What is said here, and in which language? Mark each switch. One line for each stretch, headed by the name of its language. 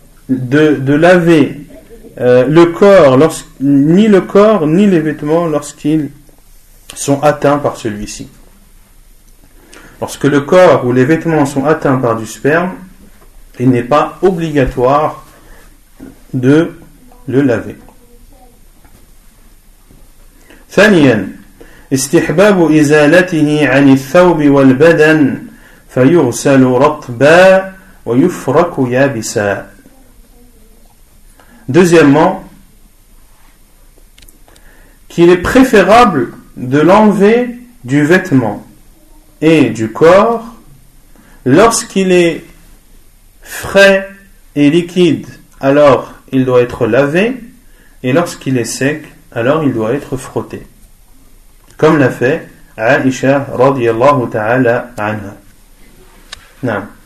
French: de laver le corps, ni le corps ni les vêtements lorsqu'ils sont atteints par celui-ci. Lorsque le corps ou les vêtements sont atteints par du sperme, il n'est pas obligatoire de le laver.
Arabic: Thaniyan, استحباب إزالته عن الثوب والبدن فيغسل رطبا ويفرك يابسا.
French: Deuxièmement, qu'il est préférable de l'enlever du vêtement et du corps lorsqu'il est frais et liquide, alors il doit être lavé, et lorsqu'il est sec, alors il doit être frotté, comme l'a fait Aïcha radiyallahu ta'ala anha. Non.